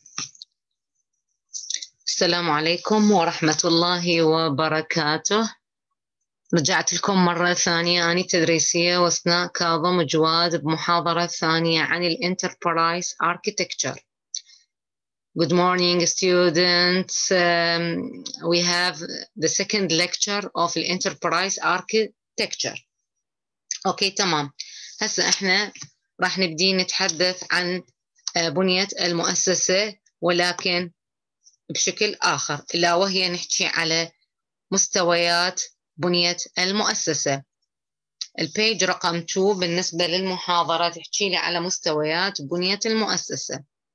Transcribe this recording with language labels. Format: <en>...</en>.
<ar>السلام عليكم ورحمة الله وبركاته. رجعت لكم مرة ثانية، أنا تدريسية وأسناء كاظم وجواد بمحاضرة ثانية عن الـ Enterprise Architecture.</ar> <en>Good morning students. We have the second lecture of the Enterprise Architecture.</en> <ar>Okay, تمام. هسا إحنا راح نبدي نتحدث عن بنية المؤسسة ولكن بشكل آخر، إلا وهي نحكي على مستويات بنية المؤسسة. البيج رقم 2 بالنسبة للمحاضرة تحكي لي على مستويات بنية المؤسسة.</ar>